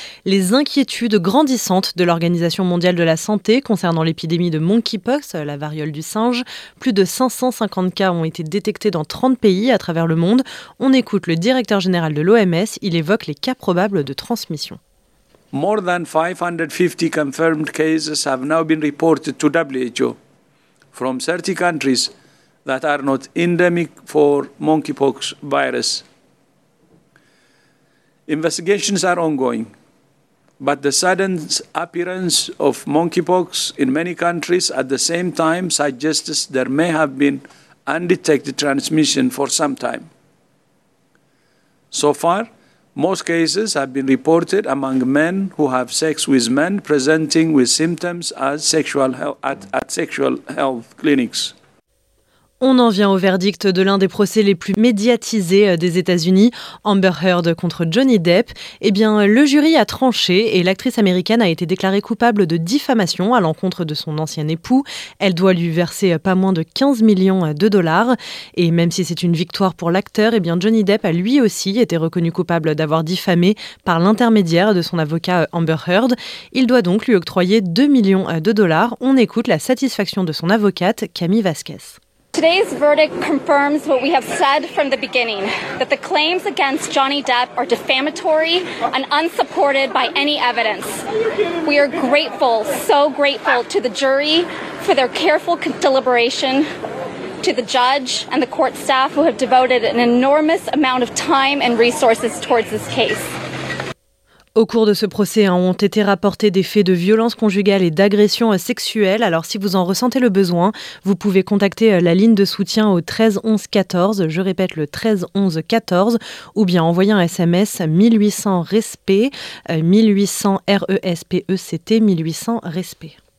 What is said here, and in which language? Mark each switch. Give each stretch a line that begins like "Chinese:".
French: Les inquiétudes grandissantes de l'Organisation mondiale de la santé concernant l'épidémie de monkeypox, la variole du singe. Plus de 550 cas ont été détectés dans 30 pays à travers le monde. On écoute le directeur général de l'OMS, il évoque les cas probables de transmission.
English: More than 550 confirmed cases have now been reported to WHO from 30 countries. that are not endemic for monkeypox virus. Investigations are ongoing, but the sudden appearance of monkeypox in many countries at the same time suggests there may have been undetected transmission for some time. So far, most cases have been reported among men who have sex with men presenting with symptoms as sexual health, at sexual health clinics.
French: On en vient au verdict de l'un des procès les plus médiatisés des États-Unis, Amber Heard contre Johnny Depp. Eh bien, le jury a tranché et l'actrice américaine a été déclarée coupable de diffamation à l'encontre de son ancien époux. Elle doit lui verser pas moins de 15 millions de dollars. Et même si c'est une victoire pour l'acteur, eh bien Johnny Depp a lui aussi été reconnu coupable d'avoir diffamé par l'intermédiaire de son avocat Amber Heard. Il doit donc lui octroyer 2 millions de dollars. On écoute la satisfaction de son avocate, Camille Vasquez.
English: Today's verdict confirms what we have said from the beginning, that the claims against Johnny Depp are defamatory and unsupported by any evidence. We are grateful, so grateful to the jury for their careful deliberation, to the judge and the court staff who have devoted an enormous amount of time and resources towards this case.
French: Au cours de ce procès, ont été rapportés des faits de violence conjugale et d'agression sexuelle. Alors si vous en ressentez le besoin, vous pouvez contacter la ligne de soutien au 13 11 14, je répète le 13 11 14, ou bien envoyer un SMS 1800 RESPECT, 1800 RESPECT, 1800 RESPECT.